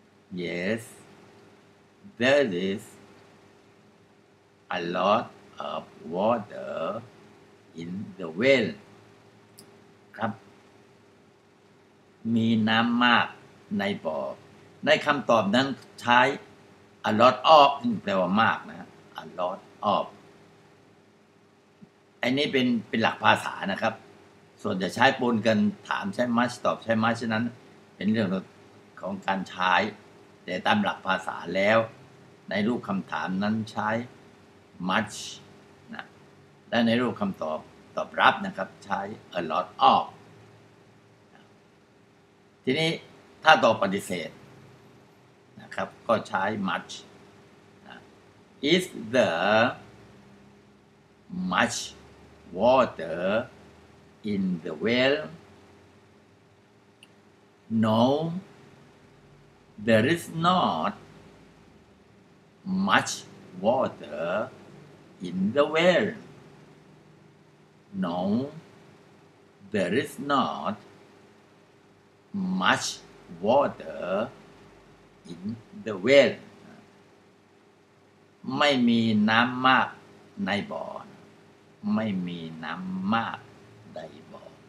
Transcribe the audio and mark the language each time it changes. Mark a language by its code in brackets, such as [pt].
[en] Yes, there is a lot of water in the well. [th] ครับมีน้ำมากในบ่อในคำตอบนั้นใช้ a lot of แปลว่ามากนะ a lot of อันนี้เป็นหลักภาษานะครับส่วนจะใช้ปนกันถามใช้ much ตอบใช้ much นั้นเป็นเรื่องของการใช้แต่ตามหลักภาษาแล้วในรูปคำถามนั้นใช้ much นะและในรูปคำตอบตอบรับนะครับใช้ a lot of ทีนี้ถ้าตอบปฏิเสธครับก็ใช้ much [en] Is there much water in the well? No, there is not much water in the well. No, there is not much waterIn the well [th] ไม่มีน้ำมากในบ่อไม่มีน้ำมากในบ่อ